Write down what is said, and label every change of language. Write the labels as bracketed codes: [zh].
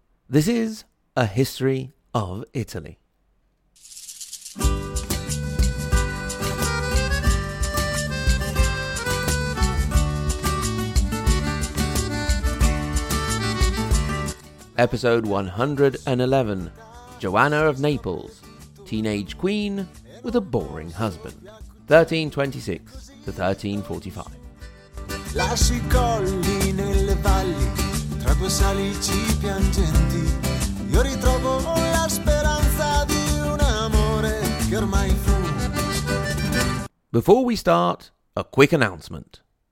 [en] This is A History of Italy. Episode 111, Joanna of Naples, teenage queen with a boring husband, 1326 to 1345. [it] Lasci colli nelle valli, tra quei salici piangenti, io ritrovo la speranza di un amore che ormai fu. [en] Before we start, a quick announcement.